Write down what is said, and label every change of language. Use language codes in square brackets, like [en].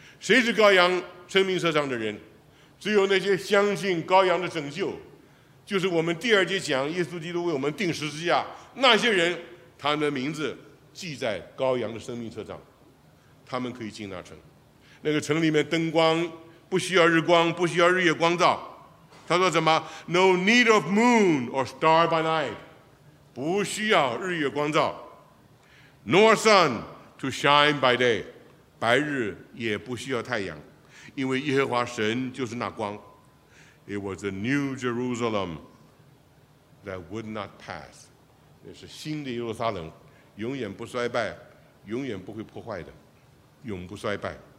[zh] 谁是羔羊生命册上的人？只有那些相信羔羊的拯救，就是我们第二节讲耶稣基督为我们钉十字架那些人，他们的名字记在羔羊的生命册上，他们可以进那城。那个城里面灯光不需要日光，不需要日夜光照。他说什么？ [en] No need of moon or star by night， [zh] 不需要日夜光照。 [en] Nor sun to shine by day， [zh] 白日也不需要太阳，因为耶和华神就是那光。 [en] It was a new Jerusalem that would not pass， [zh] 那是新的耶路撒冷，永远不衰败，永远不会破坏的，永不衰败。